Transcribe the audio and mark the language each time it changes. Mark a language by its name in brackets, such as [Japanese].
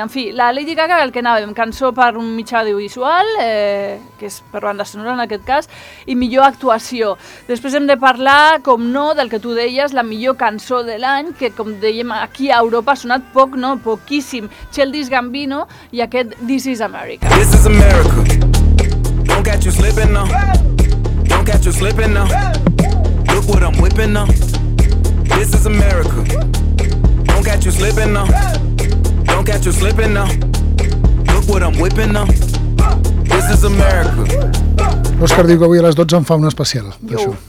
[Catalan] En fi, la Lady Gaga, el que anàvem, cançó per un mitjà audiovisual, que és per banda sonora en aquest cas, i millor actuació. Després hem de parlar, com no, del que tu deies, la millor cançó de l'any, que com dèiem aquí a Europa ha sonat poc, no, poquíssim, Childish Gambino i aquest This is America. [English] This is America. Don't catch you slipping now. Don't catch you slipping now. Look what I'm whipping now. This is America. Don't catch you slipping now. Don't catch you slipping now. Look what I'm whipping now. This is America. [Catalan] Òscar diu que avui a les 12 em fa un especial d'això.